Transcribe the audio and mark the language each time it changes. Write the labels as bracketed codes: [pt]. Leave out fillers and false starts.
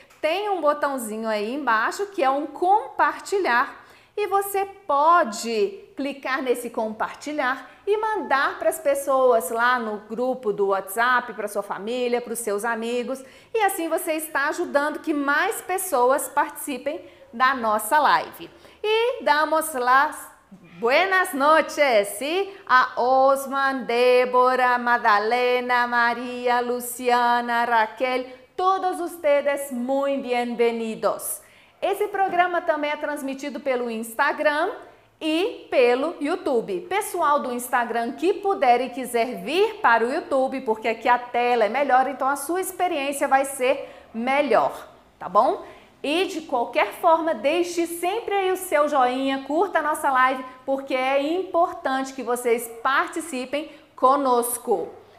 [pt] Tem um botãozinho aí embaixo que é um compartilhar e você pode clicar nesse compartilhar e mandar para as pessoas lá no grupo do WhatsApp, para sua família, para os seus amigos. E assim você está ajudando que mais pessoas participem da nossa live. E damos lá [es] buenas noches, sí? A Osman, Débora, Madalena, María, Luciana, Raquel, todos ustedes muy bienvenidos. [pt] Esse programa também é transmitido pelo Instagram e pelo YouTube. Pessoal do Instagram que puder e quiser vir para o YouTube, porque aqui a tela é melhor, então a sua experiência vai ser melhor, tá bom? E de qualquer forma, deixe sempre aí o seu joinha, curta a nossa live, porque é importante que vocês participem conosco.